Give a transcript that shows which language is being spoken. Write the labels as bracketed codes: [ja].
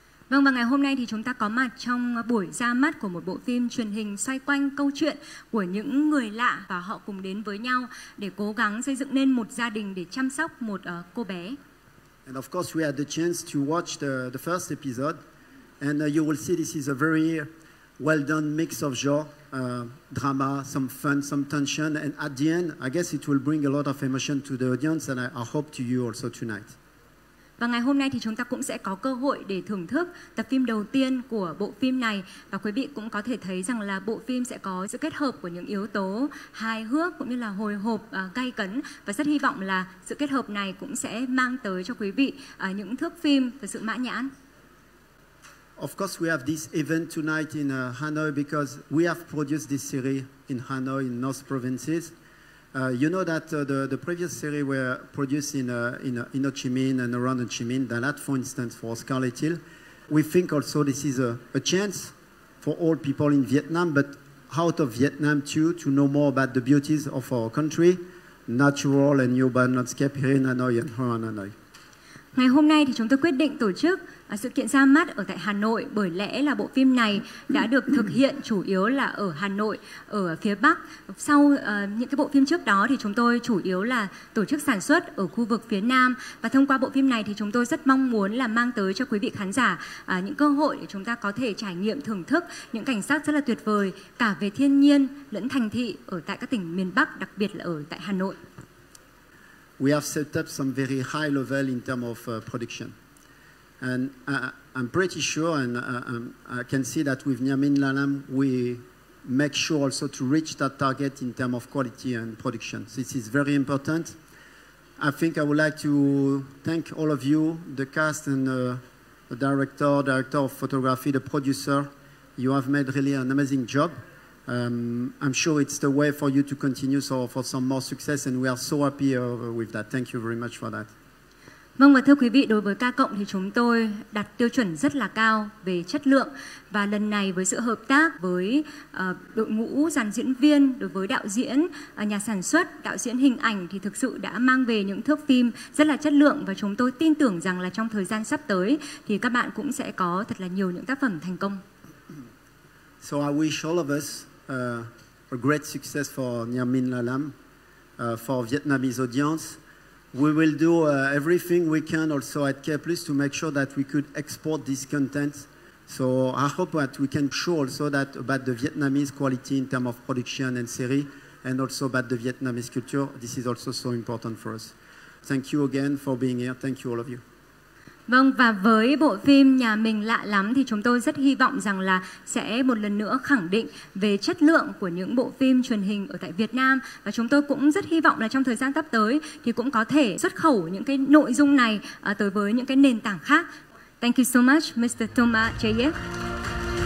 [vi] Vâng, và ngày hôm nay thì chúng ta có mặt trong buổi ra mắt của một bộ phim truyền hình xoay quanh câu chuyện của những người lạ và họ cùng đến với nhau để cố gắng xây dựng nên một gia đình để chăm sóc một cô bé. [en] And of course we had the chance to watch the first episode, and you will see this is a very well done mix of genre, drama, some fun, some tension, and at the end I guess it will bring a lot of emotion to the audience, and I hope to you also tonight. [vi] Và ngày hôm nay thì chúng ta cũng sẽ có cơ hội để thưởng thức tập phim đầu tiên của bộ phim này. Và quý vị cũng có thể thấy rằng là bộ phim sẽ có sự kết hợp của những yếu tố hài hước cũng như là hồi hộp, gay cấn. Và rất hy vọng là sự kết hợp này cũng sẽ mang tới cho quý vị những thước phim thật sự mãn nhãn. [en] Of course we have this event tonight in Hanoi because we have produced this series in Hanoi, in North Provinces. You know that the previous series were produced in Ho Chi Minh and around Ho Chi Minh, Dalat, for instance, for Scarlet Hill. We think also this is a chance for all people in Vietnam, but out of Vietnam too, to know more about the beauties of our country, natural and urban landscape here in Hanoi and around Hanoi. [vi] Ngày hôm nay thì chúng tôi quyết định tổ chức sự kiện ra mắt ở tại Hà Nội, bởi lẽ là bộ phim này đã được thực hiện chủ yếu là ở Hà Nội, ở phía Bắc. Sau những cái bộ phim trước đó thì chúng tôi chủ yếu là tổ chức sản xuất ở khu vực phía Nam. Và thông qua bộ phim này thì chúng tôi rất mong muốn là mang tới cho quý vị khán giả những cơ hội để chúng ta có thể trải nghiệm, thưởng thức những cảnh sắc rất là tuyệt vời, cả về thiên nhiên lẫn thành thị ở tại các tỉnh miền Bắc, đặc biệt là ở tại Hà Nội. [en] We have set up some very high level in terms of production. And I'm pretty sure, and I can see that with Nyamin Lalam, we make sure also to reach that target in terms of quality and production. So this is very important. I think I would like to thank all of you, the cast and the director, director of photography, the producer. You have made really an amazing job. I'm sure it's the way for you to continue so for some more success, and we are so happy with that. Thank you very much for that. [vi] Vâng, và thưa quý vị, đối với K cộng thì chúng tôi đặt tiêu chuẩn rất là cao về chất lượng, và lần này với sự hợp tác với đội ngũ dàn diễn viên, đối với đạo diễn, nhà sản xuất, đạo diễn hình ảnh thì thực sự đã mang về những thước phim rất là chất lượng, và chúng tôi tin tưởng rằng là trong thời gian sắp tới thì các bạn cũng sẽ có thật là nhiều những tác phẩm thành công. [en] So I wish all of us a great success for Nyamin Lalam, for Vietnamese audience. We will do everything we can also at K+ to make sure that we could export this content. So I hope that we can show also that about the Vietnamese quality in terms of production and series, and also about the Vietnamese culture. This is also so important for us. Thank you again for being here. Thank you all of you. [vi] Vâng, và với bộ phim Nhà Mình Lạ Lắm thì chúng tôi rất hy vọng rằng là sẽ một lần nữa khẳng định về chất lượng của những bộ phim truyền hình ở tại Việt Nam. Và chúng tôi cũng rất hy vọng là trong thời gian sắp tới thì cũng có thể xuất khẩu những cái nội dung này tới với những cái nền tảng khác. [en] Thank you so much, Mr. Thomas J.F.